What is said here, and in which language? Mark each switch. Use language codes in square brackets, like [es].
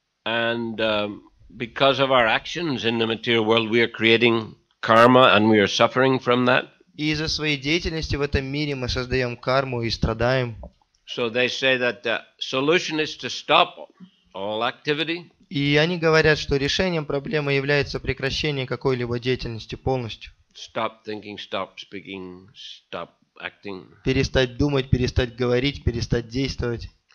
[en] And because of our actions in the material world, we are creating karma, and we are suffering from that. [ru] И из-за своей деятельности в этом мире мы создаем карму и страдаем. [en] So they say that the solution is to stop all activity. [ru] И они говорят, что решением проблемы является прекращение какой-либо деятельности полностью. [en] Stop thinking, stop speaking, stop acting. [ru] Перестать думать, перестать говорить, перестать действовать.